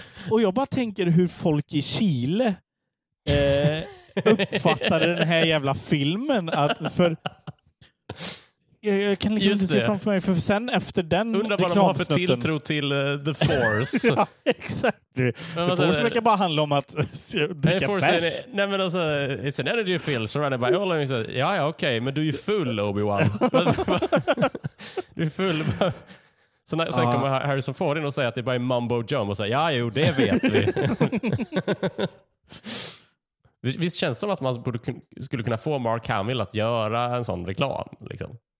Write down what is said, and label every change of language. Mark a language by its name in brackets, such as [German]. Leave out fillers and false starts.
[Swedish] Och jag bara tänker hur folk i Chile uppfattade den här jävla filmen. Att för jag kan liksom just inte se framför mig. För sen efter den reklamsnutten, undrar vad de har för tilltro till The Force. Ja, exakt. The Force verkar bara handla om att dricka bärs. Nej, men alltså, [English] it's an energy fill surrounded by all of you. [Swedish] Ja, ja, okej, men du är ju full, Obi-Wan. Du är full. Så när, sen kommer Harrison Ford in och säger att det bara är mumbo jumbo. Och säger, ja, jo, det vet vi. Visst känns det som att man skulle kunna få Mark Hamill att göra en sån reklam, liksom?